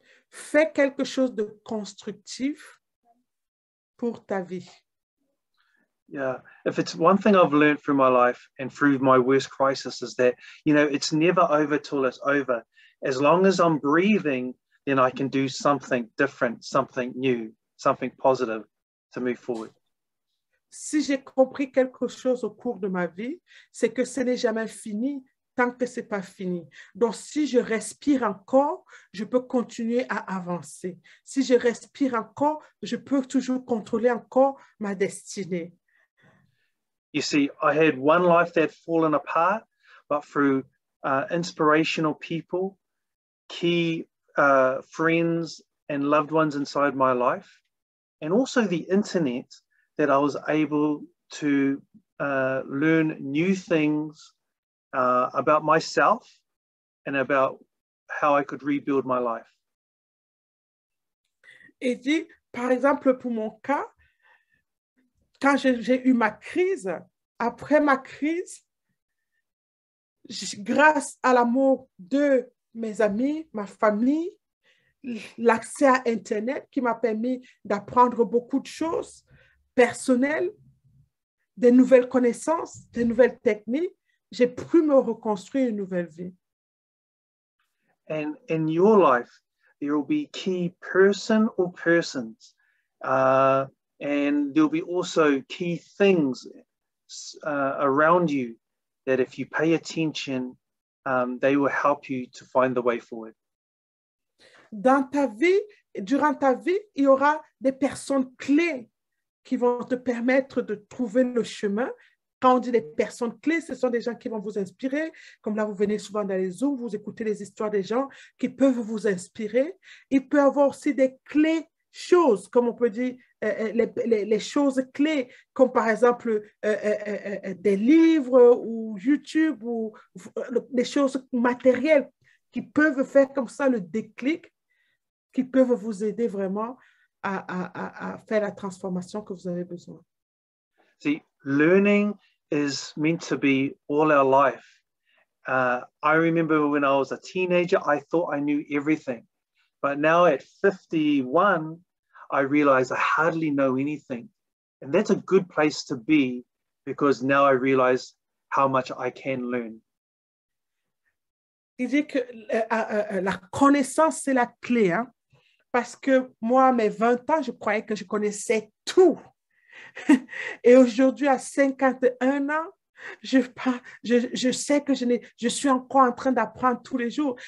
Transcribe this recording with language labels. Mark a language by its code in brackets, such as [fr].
[fr] Fais quelque chose de constructif pour ta vie. [en] Yeah, if it's one thing I've learned through my life and through my worst crisis is that, you know, it's never over till it's over. As long as I'm breathing, then I can do something different, something new, something positive to move forward. [fr] Si j'ai compris quelque chose au cours de ma vie, c'est que ce n'est jamais fini tant que ce n'est pas fini. Donc, si je respire encore, je peux continuer à avancer. Si je respire encore, je peux toujours contrôler encore ma destinée. [en] You see, I had one life that had fallen apart, but through inspirational people, key friends and loved ones inside my life, and also the internet, that I was able to learn new things about myself and about how I could rebuild my life. [fr] Et dit, par exemple, pour mon cas, quand j'ai eu ma crise, après ma crise, grâce à l'amour de mes amis, ma famille, l'accès à Internet qui m'a permis d'apprendre beaucoup de choses, personnel, des nouvelles connaissances, des nouvelles techniques, j'ai pu me reconstruire une nouvelle vie. [en] And in your life, there will be key person or persons, and there will be also key things around you that if you pay attention, they will help you to find the way forward. [fr] Dans ta vie, durant ta vie, il y aura des personnes clés qui vont te permettre de trouver le chemin. Quand on dit des personnes clés, ce sont des gens qui vont vous inspirer. Comme là, vous venez souvent dans les Zooms, vous écoutez les histoires des gens qui peuvent vous inspirer. Il peut y avoir aussi des clés, choses, comme on peut dire, les choses clés, comme par exemple des livres ou YouTube ou des choses matérielles qui peuvent faire comme ça le déclic, qui peuvent vous aider vraiment à faire la transformation que vous avez besoin. [en] See, learning is meant to be all our life. I remember when I was a teenager, I thought I knew everything. But now at 51, I realize I hardly know anything. And that's a good place to because now I realize how much I can learn. [fr] Il dit que la connaissance c'est la clé, hein? Parce que moi, à mes 20 ans, je croyais que je connaissais tout. Et aujourd'hui, à 51 ans, je sais que je suis encore en train d'apprendre tous les jours.